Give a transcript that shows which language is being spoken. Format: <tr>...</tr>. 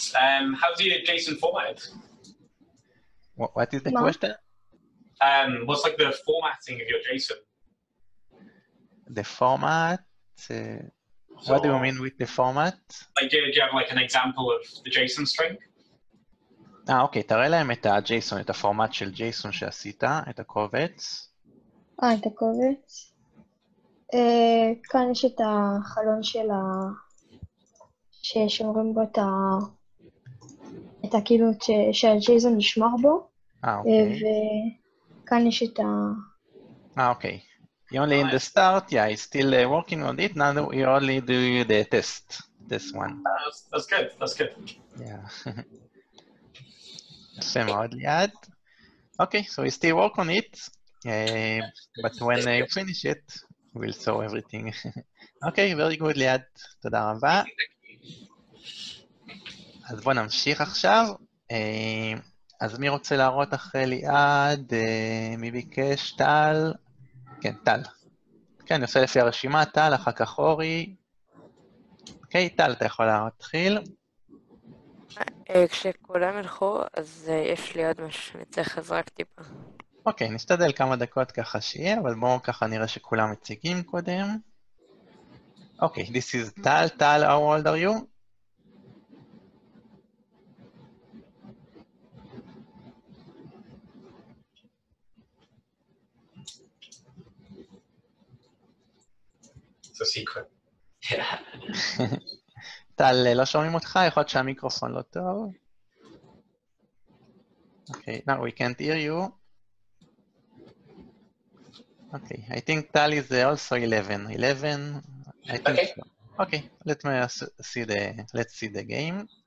<en>How do you JSON format it? What is the question? What's like the formatting of your JSON? The format? What do you mean with the format? Like, do you have like an example of the JSON string?</en> <he>אוקיי, תראה להם את ה-JSON, את הפורמט של JSON שעשית, את הקובץ. את הקובץ. כאן יש את החלון של ששומרים בו את את כאילו שה-JSON נשמר בו. אוקיי. וכאן יש את אוקיי.</he> <en>You're only in the start, yeah, he's still working on it, now you only do the test, this one. That's good.</en> <he>Yeah. יפה מאוד ליד.</he> <en>אוקיי, so we still work on it, but when you finish it, we'll show everything. אוקיי, very good ליד,</en> <he>תודה רבה. אז בוא נמשיך עכשיו. אז מי רוצה להראות אחרי ליד? מי ביקש? טל? כן, טל. כן, נעשה לפי הרשימה, טל, אחר כך אורי. אוקיי, טל, אתה יכול להתחיל. כשכולם הלכו, אז יש לי עוד משהו, אני צריך לזרק טיפה. אוקיי, נשתדל כמה דקות ככה שיהיה, אבל בואו ככה נראה שכולם מציגים קודם.</he> <en>אוקיי, this is Tal. Tal, how old are you? It's a secret.</en> <he>טל, לא שומעים אותך, יכול להיות שהמיקרופון לא טוב.</he> <en>אוקיי, now we can't hear you. אוקיי, I think טל is also 11. 11? I think so. אוקיי, let's see the game.</en>